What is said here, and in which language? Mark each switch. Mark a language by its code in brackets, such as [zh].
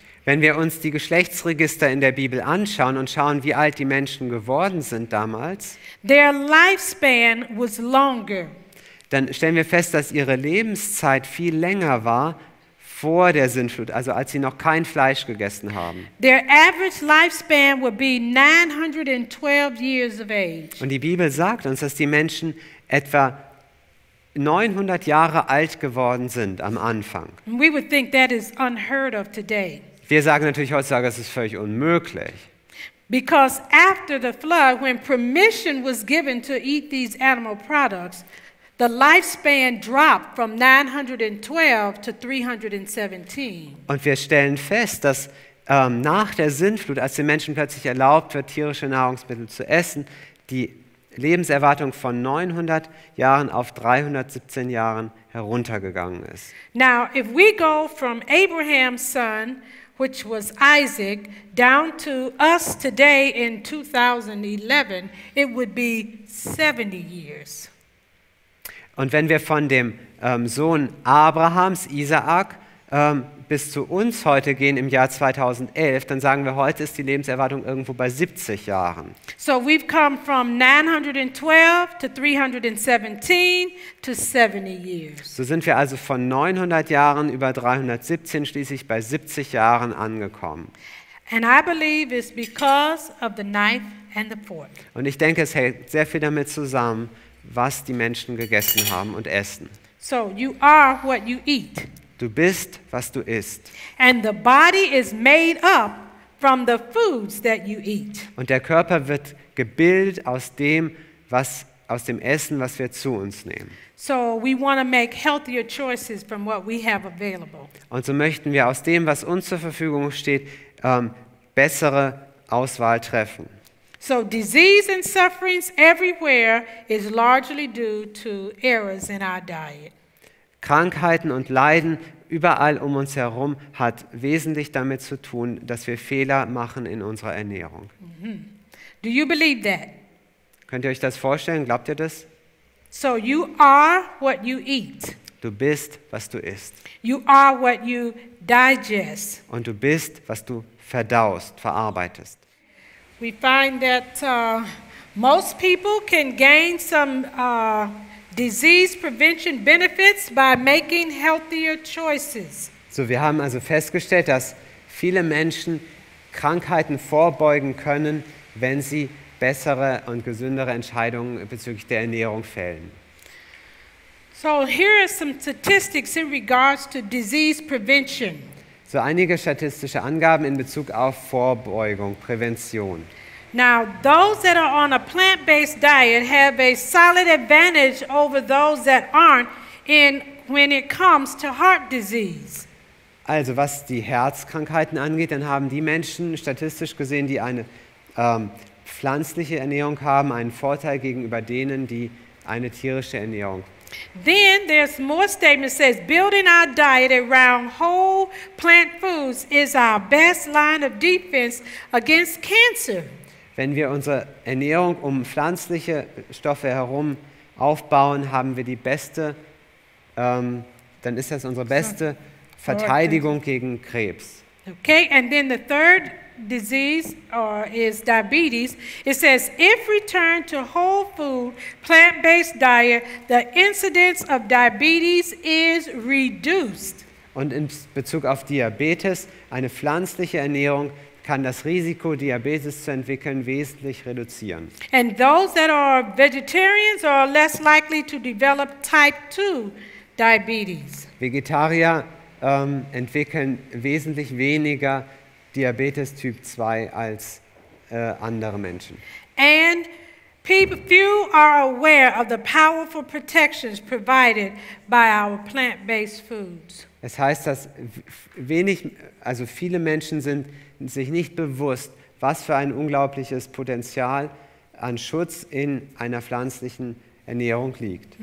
[de] Wenn wir uns die Geschlechtsregister in der Bibel anschauen und schauen, wie alt die Menschen geworden sind damals, [en] their lifespan was longer. [de] Dann stellen wir fest, dass ihre Lebenszeit viel länger war vor der Sintflut, also als sie noch kein Fleisch gegessen haben. [en] Their average lifespan would be 912 years of age. [de] Und die Bibel sagt uns, dass die Menschen etwa 900 Jahre alt geworden sind am Anfang. [en] We would think that is unheard of today. [de] Wir sagen natürlich heutzutage, es ist völlig unmöglich. [en] Because after the flood, when permission was given to eat these animal products, the lifespan dropped from 912 to 317. [de] Und wir stellen fest, dass nach der Sintflut, als den Menschen plötzlich erlaubt wird, tierische Nahrungsmittel zu essen, die Lebenserwartung von 900 Jahren auf 317 Jahren heruntergegangen ist. [en] Now, if we go from Abraham's son, which was Isaac, down to us today in 2011, it would be 70 years. [de] Und wenn wir von dem Sohn Abrahams, Isaak, bis zu uns heute gehen im Jahr 2011, dann sagen wir, heute ist die Lebenserwartung irgendwo bei 70 Jahren. [en] So we've come from 912 to 317 to 70 years. [de] So sind wir also von 900 Jahren über 317 schließlich bei 70 Jahren angekommen. [en] And I believe it's because of the knife and the fork. [de] Und ich denke, es hängt sehr viel damit zusammen, was die Menschen gegessen haben und essen. [en] So you are what you eat. [de] Du bist, was du isst. [en] And the body is made up from the foods that you eat. [de] Und der Körper wird gebildet aus dem, was aus dem Essen, was wir zu uns nehmen. [en] So we want to make healthier choices from what we have available. [de] Und so möchten wir aus dem, was uns zur Verfügung steht, bessere Auswahl treffen. [en] So disease and sufferings everywhere is largely due to errors in our diet. [de] Krankheiten und Leiden überall um uns herum hat wesentlich damit zu tun, dass wir Fehler machen in unserer Ernährung. [en] Do you believe that? [de] Könnt ihr euch das vorstellen? Glaubt ihr das? [en] So you are what you eat. [de] Du bist, was du isst. [en] You are what you digest. [de] Und du bist, was du verdaust, verarbeitest. [en] We find that most people can gain some disease prevention benefits by making healthier choices. [de] So, wir haben also festgestellt, dass viele Menschen Krankheiten vorbeugen können, wenn sie bessere und gesündere Entscheidungen bezüglich der Ernährung fällen. [en] So, here are some statistics in regards to disease prevention. [de] So, einige statistische Angaben in Bezug auf Vorbeugung, Prävention. [en] Now, those that are on a plant-based diet have a solid advantage over those that aren't in when it comes to heart disease. [de] Also, was die Herzkrankheiten angeht, dann haben die Menschen statistisch gesehen, die eine pflanzliche Ernährung haben, einen Vorteil gegenüber denen, die eine tierische Ernährung [en] Then there's more statement says building our diet around whole plant foods is our best line of defense against cancer. [de] Wenn wir unsere Ernährung um pflanzliche Stoffe herum aufbauen, haben wir die beste dann ist das unsere beste Verteidigung gegen Krebs. [en] Okay, and then the third disease is diabetes. It says if returned to whole food plant-based diet, the incidence of diabetes is reduced. [de] Und in Bezug auf Diabetes, eine pflanzliche Ernährung kann das Risiko, Diabetes zu entwickeln, wesentlich reduzieren. [en] And those that are vegetarians are less likely to develop type 2 diabetes. [de] Vegetarier entwickeln wesentlich weniger Diabetes Typ 2 als andere Menschen. [en] And people, few are aware of the powerful protections provided by our plant-based foods. [de] Es heißt, dass viele Menschen sind sich nicht bewusst, was für ein unglaubliches Potenzial an Schutz in einer pflanzlichen Ernährung liegt.